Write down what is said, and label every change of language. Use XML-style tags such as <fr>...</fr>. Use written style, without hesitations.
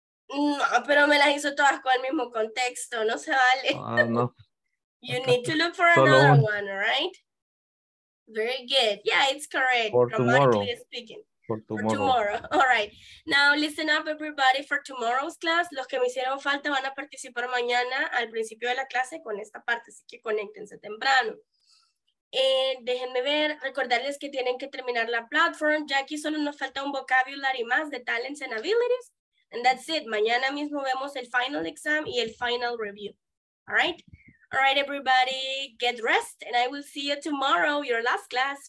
<es>No, pero me las hizo todas con el mismo contexto. No se vale. No.</es> <en>You need to look for another one, right? Very good. Yeah, it's correct. For tomorrow. Speaking. For tomorrow. All right. Now, listen up, everybody, for tomorrow's class.</en> <es>Los que me hicieron falta van a participar mañana al principio de la clase con esta parte, así que conéctense temprano. Déjenme ver, recordarles que tienen que terminar la platform. Ya aquí solo nos falta un vocabulary más de</es> <en>talents and abilities. And that's it.</en> <es>Mañana mismo vemos el final exam y el final review.</es> <en>All right? All right, everybody, get rest, and I will see you tomorrow, your last class.</en>